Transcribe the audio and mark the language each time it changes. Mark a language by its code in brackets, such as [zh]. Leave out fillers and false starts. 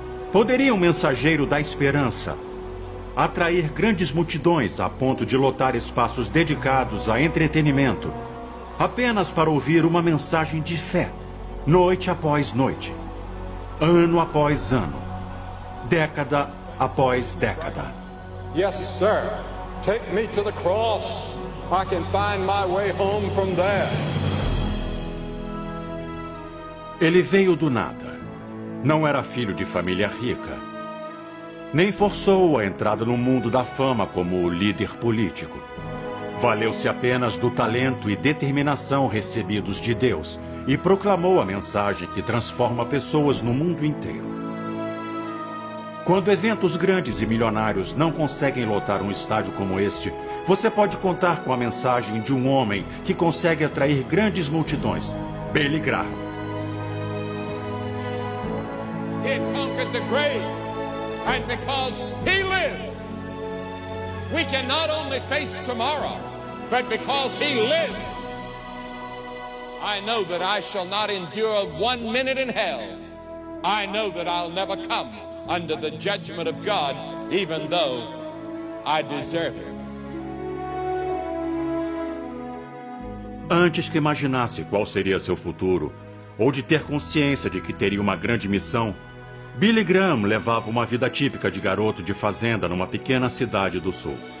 [pt] Poderia um mensageiro da esperança atrair grandes multidões a ponto de lotar espaços dedicados a entretenimento apenas para ouvir uma mensagem de fé, noite após noite, ano após ano, década após década? [en] Yes, sir. Take me to the cross. I can find my way home from there. [pt] Ele veio do nada. Não era filho de família rica. Nem forçou a entrada no mundo da fama como líder político. Valeu-se apenas do talento e determinação recebidos de Deus e proclamou a mensagem que transforma pessoas no mundo inteiro. Quando eventos grandes e milionários não conseguem lotar um estádio como este, você pode contar com a mensagem de um homem que consegue atrair grandes multidões, Billy Graham. [en] He conquered the grave, and because he lives, we can not only face tomorrow, but because he lives, I know that I shall not endure one minute in hell. I know that I'll never come under the judgment of God, even though I deserve it. [pt] Antes que imaginasse qual seria seu futuro, ou de ter consciência de que teria uma grande missão, Billy Graham levava uma vida típica de garoto de fazenda numa pequena cidade do sul.